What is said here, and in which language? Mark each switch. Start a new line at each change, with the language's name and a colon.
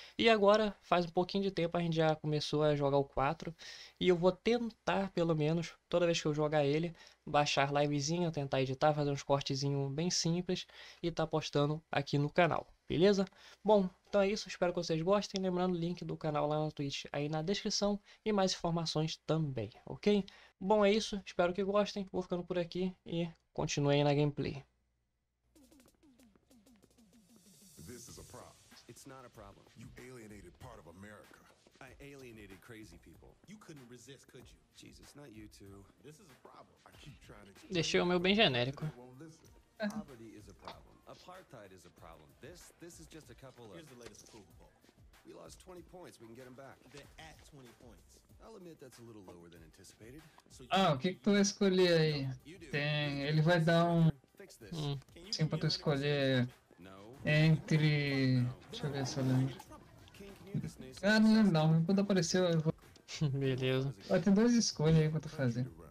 Portuguese: E agora, faz um pouquinho de tempo, a gente já começou a jogar o 4 e eu vou tentar, pelo menos, toda vez que eu jogar ele, baixar livezinho, tentar editar, fazer uns cortezinhos bem simples e estar postando aqui no canal, beleza? Bom. Então é isso, espero que vocês gostem. Lembrando, o link do canal lá na Twitch aí na descrição e mais informações também, ok? Bom, é isso, espero que gostem. Vou ficando por aqui e continuem na gameplay.
English: This is a problem. It's not a problem. You alienated part of America. I alienated crazy people. You couldn't resist, could you? Jesus, not you too. This is a problem. I keep trying to
Portuguese: Deixei o meu bem genérico.
English: Poverty is a problem. Apartheid is a problem. This is just a couple of. Here's the latest approval poll. We lost 20 points. We can get them back. They're at 20 points. I'll admit that's a little lower than anticipated.
Portuguese: Ah, o que que tu vai escolher aí? Tem, ele vai dar um. Sim, pra tu escolher entre. Deixa eu ver se eu lembro. Ah, não lembro não. Quando apareceu, eu vou. Beleza. Ó, tem duas escolhas aí pra tu fazer.